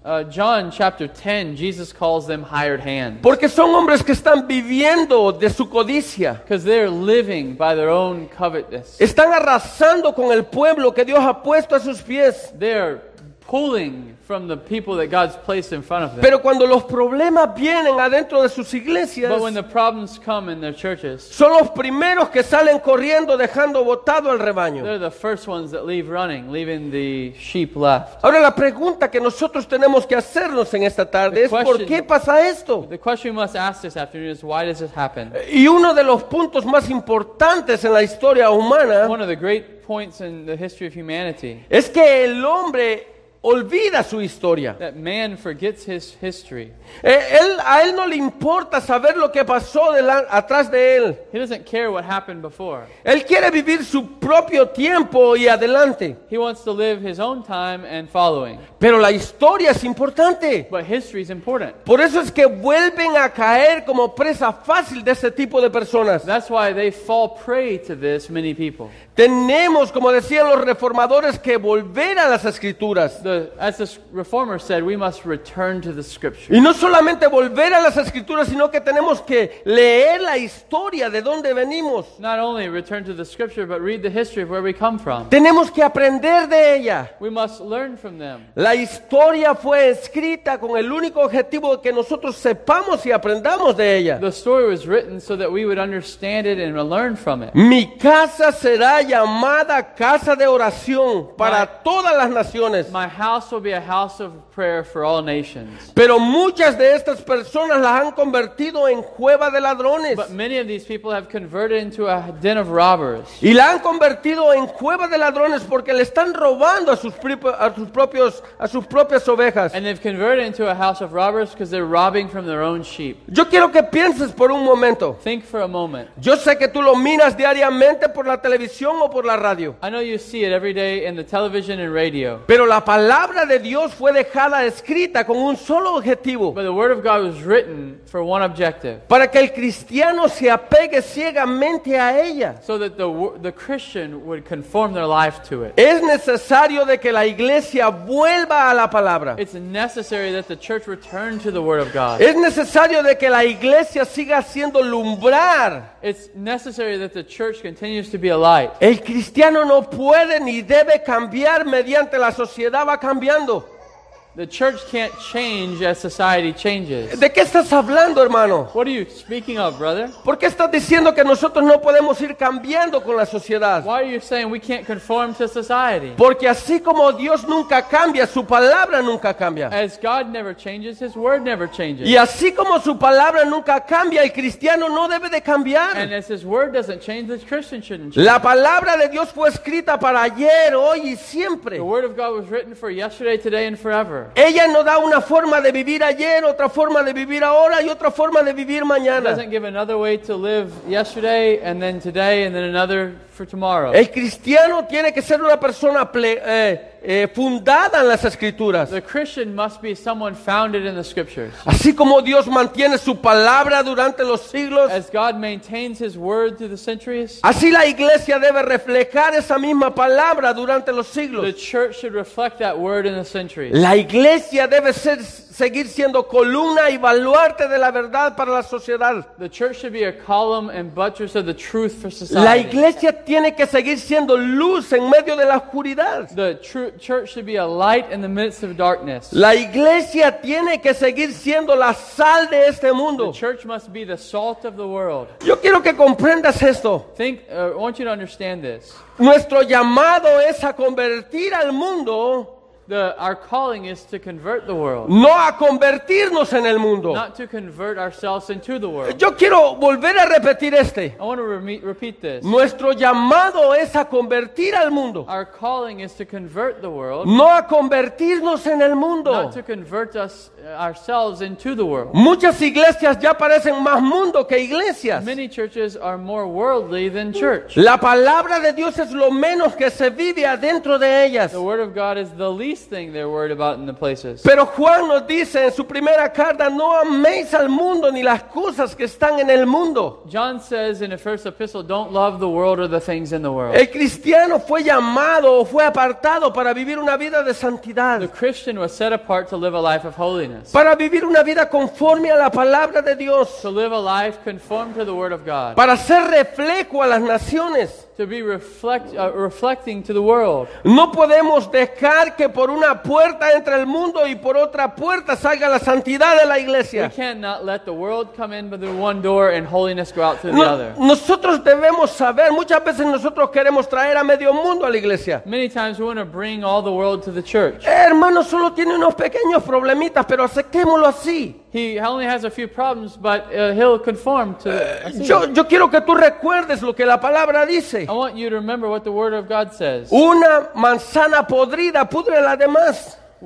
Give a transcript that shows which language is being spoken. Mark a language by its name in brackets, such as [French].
[English] John chapter 10, Jesus calls them hired hands. [Spanish] Porque son hombres que están viviendo de su codicia. [English] Because they're living by their own covetousness. [Spanish] Están arrasando con el pueblo que Dios ha puesto a sus pies. [English] They're pulling from the people that God's placed in front of them. [Spanish] Pero cuando los problemas vienen adentro de sus iglesias, [English] but when the problems come in their churches, [Spanish] son los primeros que salen corriendo dejando botado al rebaño. [English] They're the first ones that leave running, leaving the sheep left. [Spanish] Ahora la pregunta que nosotros tenemos que hacernos en esta tarde es ¿por qué pasa esto? [English] The question we must ask this afternoon is why does this happen? [Spanish] Y uno de los puntos más importantes en la historia humana, [English] one of the great points in the history of humanity, [Spanish] es que el hombre olvida su historia. [English] That man forgets his history. [Spanish] A él no le importa saber lo que pasó atrás de él. [English] He doesn't care what happened before. [Spanish] Él quiere vivir su propio tiempo y adelante. [English] He wants to live his own time and following. [Spanish] Pero la historia es importante. [English] But history is important. [Spanish] Por eso es que vuelven a caer como presa fácil de ese tipo de personas. [English] That's why they fall prey to this many people. [Spanish] Tenemos, como decían los reformadores, que volver a las escrituras. [English] As the reformer said, we must return to the scriptures. [Spanish] Y no solamente volver a las escrituras, sino que tenemos que leer la historia de dónde venimos. [English] Not only return to the scripture, but read the history of where we come from. [Spanish] Tenemos que aprender de ella. [English] We must learn from them. [Spanish] La historia fue escrita con el único objetivo de que nosotros sepamos y aprendamos de ella. [English] The story was written so that we would understand it and learn from it. [Spanish] Mi casa será llamada casa de oración para todas las naciones. [English] My house will be a house of prayer for all nations. [Spanish] Pero muchas de estas personas las han convertido en cueva de ladrones. [English] But many of these people have converted into a den of robbers. [Spanish] Y la han convertido en cueva de ladrones porque le están robando a sus propias ovejas. [English] And they've converted into a house of robbers because they're robbing from their own sheep. [Spanish] Yo quiero que pienses por un momento. [English] Think for a moment. [Spanish] Yo sé que tú lo miras diariamente por la televisión o por la radio. [English] I know you see it every day in the television and radio. [Spanish] Pero la palabra de Dios fue dejada escrita con un solo objetivo. [English] But the word of God was written for one objective. [Spanish] Para que el cristiano se apegue ciegamente a ella. [English] So that the Christian would conform their life to it. [Spanish] Es necesario de que la iglesia vuelva a la palabra. [English] It's necessary that the church return to the word of God. [Spanish] Es necesario de que la iglesia siga siendo lumbrar. [English] It's necessary that the church continues to be a light. [Spanish] El cristiano no puede ni debe cambiar mediante la sociedad va cambiando. [English] The church can't change as society changes. [Spanish] ¿De qué estás hablando, hermano? [English] What are you speaking of, brother? [Spanish] ¿Por qué estás diciendo que nosotros no podemos ir cambiando con la sociedad? [English] Why are you saying we can't conform to society? [Spanish] Porque así como Dios nunca cambia, su palabra nunca cambia. [English] As God never changes, his word never changes. [Spanish] Y así como su palabra nunca cambia, el cristiano no debe de cambiar. [English] And as his word doesn't change, the Christian shouldn't change. [Spanish] La palabra de Dios fue escrita para ayer, hoy y siempre. [English] The word of God was written for yesterday, today and forever. [Spanish] Ella no da una forma de vivir ayer, otra forma de vivir ahora y otra forma de vivir mañana. [English] Doesn't give another way to live yesterday and then today and then another for tomorrow. [Spanish] El cristiano tiene que ser una persona fundada en las escrituras. [English] The Christian must be someone founded in the scriptures. [Spanish] Así como Dios mantiene su palabra durante los siglos, [English] as God maintains his word through the centuries, [Spanish] así la iglesia debe reflejar esa misma palabra durante los siglos. [English] The church should reflect that word in the centuries. [Spanish] La iglesia debe seguir siendo columna y baluarte de la verdad para la sociedad. [English] The church should be a column and buttress of the truth for society. [Spanish] La iglesia tiene que seguir siendo luz en medio de la oscuridad. [English] The church should be a light in the midst of darkness. [Spanish] La iglesia tiene que seguir siendo la sal de este mundo. [English] The church must be the salt of the world. [Spanish] Yo quiero que comprendas esto. [English] I want you to understand this. [Spanish] Nuestro llamado es a convertir al mundo. [English] Our calling is to convert the world. [Spanish] No a convertirnos en el mundo. [English] Not to convert ourselves into the world. [Spanish] Yo quiero volver a repetir este. [English] I want to repeat this. [Spanish] Nuestro llamado es a convertir al mundo. [English] Our calling is to convert the world. [Spanish] No a convertirnos en el mundo. [English] Not to convert ourselves into the world. [Spanish] Muchas iglesias ya parecen más mundo que iglesias. [English] Many churches are more worldly than church. [Spanish] La palabra de Dios es lo menos que se vive adentro de ellas. [English] The word of God is the least thing they're worried about in the places. [Spanish] Pero Juan nos dice en su primera carta, no améis al mundo ni las cosas que están en el mundo. [English] John says in the first epistle, don't love the world or the things in the world. [Spanish] El cristiano fue llamado o fue apartado para vivir una vida de santidad. [English] The Christian was set apart to live a life of holiness. [Spanish] Para vivir una vida conforme a la palabra de Dios. [English] To live a life conformed to the word of God. [Spanish] Para ser reflejo a las naciones. [English] To be reflecting to the world. [Spanish] No podemos dejar que por una puerta entre el mundo y por otra puerta salga la santidad de la iglesia. [English] We cannot let the world come in by the one door and holiness go out through the other. [Spanish] Nosotros debemos saber, muchas veces nosotros queremos traer a medio mundo a la iglesia. [English] Many times we want to bring all the world to the church. [Spanish] Hermano, solo tiene unos pequeños problemitas, pero aceptémoslo así. [English] He only has a few problems, but he'll conform to. [Spanish] Yo quiero que tú recuerdes lo que la palabra dice. [English] I want you to remember what the word of God says. [Spanish] Una manzana podrida pudre las demás.